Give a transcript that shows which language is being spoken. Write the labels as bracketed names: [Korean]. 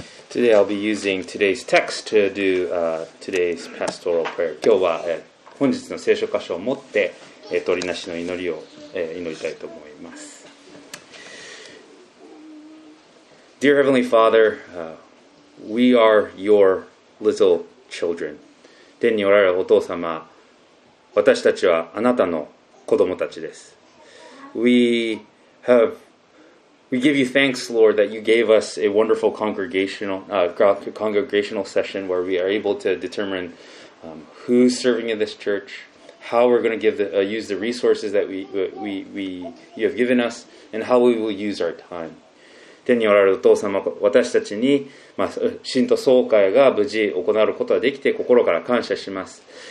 [English] Today I'll be using today's text to do today's pastoral prayer. [Japanese] 今日は本日の聖書箇所を持って取りなしの祈りを祈りたいと思います。 [English] Dear Heavenly Father, we are your little children. [Japanese] 天におられるお父様、私たちはあなたの子供たちです。 [English] We give you thanks, Lord, that you gave us a wonderful congregational session where we are able to determine who's serving in this church, how we're going to give use the resources that you have given us, and how we will use our time. [Japanese] 天におられるお父様、私たちに、信徒総会が無事行われることができて心から感謝します。